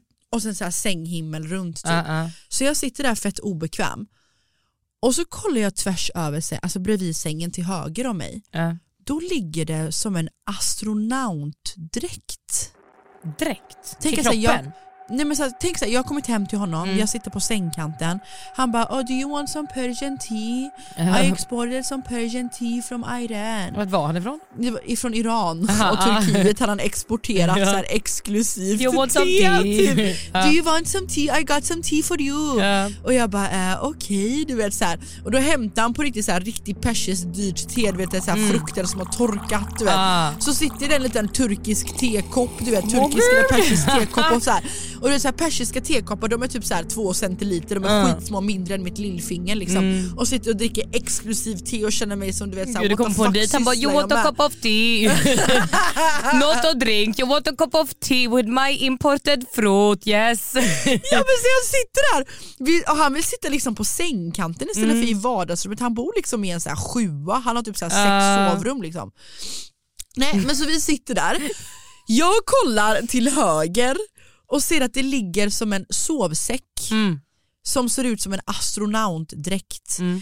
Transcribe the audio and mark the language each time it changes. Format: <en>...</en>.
<sv>Och sen så här sänghimmel runt typ. Så jag sitter där fett obekväm. Och så kollar jag tvärs över sig, alltså bredvid sängen till höger om mig. Då ligger det som en astronautdräkt. Dräkt? Till kroppen? Tänk alltså, nej, men så här, tänk så här, jag har kommit hem till honom, jag sitter på sängkanten.</sv> <en>Han bara, oh, do you want some Persian tea? I exported some Persian tea from Iran.</en> <sv>Vart var han ifrån? Ifrån Iran. Och Turkiet hade han exporterat så här exklusivt</sv> <en>you want some tea? Do you want some tea? I got some tea for you.</en> <sv>Och jag bara, okej, okay, du vet så här. Och då hämtar han på riktigt så här riktigt persiskt dyrt te, du vet, så här frukter som har torkat, du vet. Så sitter det en liten turkisk tekopp, du vet, turkisk eller persisk tekopp och så här. Och det är så här persiska tekoppar, de är typ så här 2 centiliter, de är skitsmå, mindre än mitt lillfinger liksom. Och sitter och dricker exklusiv te och känner mig som, du vet, så här, du kommer på en dejt, han bara,</sv> <en>you want a cup of tea? Not a drink, you want a cup of tea with my imported fruit, yes.</en> <sv>Ja, men så jag sitter där, och han vill sitta liksom på sängkanten istället för i vardagsrummet. Han bor liksom i en så här sjua, han har typ så här 6 sovrum liksom. Nej, men så vi sitter där, jag kollar till höger och ser att det ligger som en sovsäck som ser ut som en astronautdräkt.</sv>